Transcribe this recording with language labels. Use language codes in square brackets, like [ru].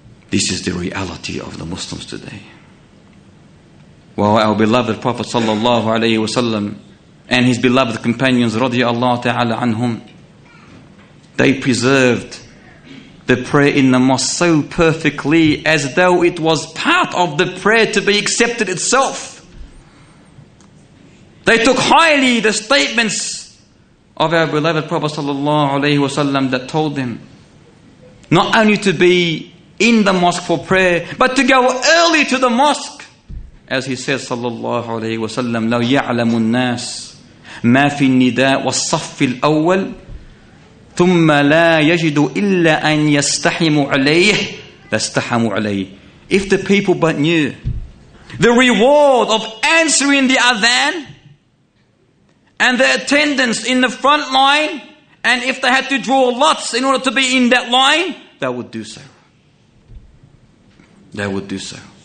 [en] This is the reality of the Muslims today. While our beloved Prophet sallallahu alayhi wasallam and his beloved companions radiallahu ta'ala anhum, they preserved the prayer in the mosque so perfectly as though it was part of the prayer to be accepted itself. They took highly the statements of our beloved Prophet sallallahu alayhi wasallam that told them not only to be in the mosque for prayer, but to go early to the mosque. As he says, sallallahu alayhi wasallam, [ar] لو يعلم الناس ما في النداء والصف الأول ثم لا يجد إلا أن يستحم عليه لاستحم عليه. [en] If the people but knew the reward of answering the adhan and the attendance in the front line, and if they had to draw lots in order to be in that line, they would do so. They would do so.